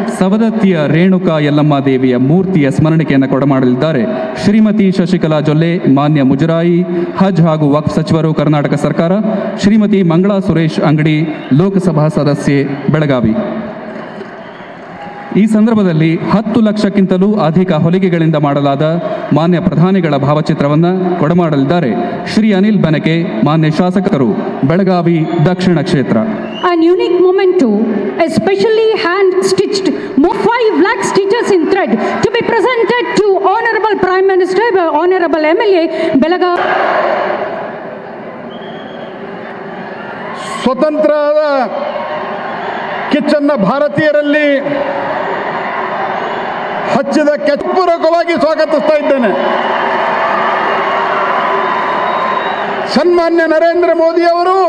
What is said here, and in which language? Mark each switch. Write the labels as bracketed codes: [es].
[kn] ಸವದತ್ತಿಯ ರೇಣುಕಾ ಯಲ್ಲಮ್ಮ ದೇವಿಯ ಮೂರ್ತಿಯ ಸ್ಮರಣಿಕೆಯನ್ನು ಕೊಡಮಾಡಲಿದ್ದಾರೆ ಶ್ರೀಮತಿ ಶಶಿಕಲಾ ಜೊಲ್ಲೆ, ಮಾನ್ಯ ಮುಜರಾಯಿ, ಹಜ್ ಹಾಗೂ ವಕ್ಫ್ ಸಚಿವರು ಕರ್ನಾಟಕ ಸರ್ಕಾರ, ಶ್ರೀಮತಿ ಮಂಗಳಾ ಸುರೇಶ್ ಅಂಗಡಿ ಲೋಕಸಭಾ ಸದಸ್ಯೆ ಬೆಳಗಾವಿ. ಈ ಸಂದರ್ಭದಲ್ಲಿ 10 ಲಕ್ಷಕ್ಕಿಂತಲೂ ಅಧಿಕ ಹೊಲಿಗೆಗಳಿಂದ ಮಾಡಲಾದ ಮಾನ್ಯ ಪ್ರಧಾನಿಗಳ ಭಾವಚಿತ್ರವನ್ನು ಕೊಡಮಾಡಲಿದ್ದಾರೆ ಶ್ರೀ ಅನಿಲ್ ಬನಕೆ, ಮಾನ್ಯ ಶಾಸಕರು, ಬೆಳಗಾವಿ ದಕ್ಷಿಣ ಕ್ಷೇತ್ರ. [en] An unique moment especially hand stitched 5 lakh stitches in thread to be presented to Honorable Prime Minister, Honorable MLA, Belagavi. [kn] ಸ್ವತಂತ್ರ ಕಿಚ್ಚನ್ನ ಭಾರತೀಯರಲ್ಲಿ ಹಚ್ಚಿದ ಕೆಚ್ಚಪೂರ್ವಕವಾಗಿ ಸ್ವಾಗತಿಸ್ತಾ ಇದ್ದೇನೆ. ಸನ್ಮಾನ್ಯ ನರೇಂದ್ರ ಮೋದಿ ಅವರು,